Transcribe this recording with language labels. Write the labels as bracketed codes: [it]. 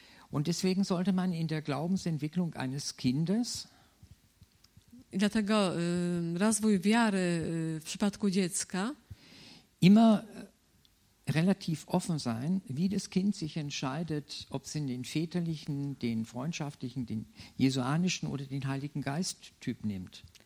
[de] Und deswegen sollte man in der Glaubensentwicklung eines Kindes, [pl] i dlatego rozwój wiary w przypadku dziecka, [de] immer relativ offen sein, wie das Kind sich entscheidet, ob es in den väterlichen, den freundschaftlichen, den jesuanischen oder den Heiligen Geist Typ nimmt.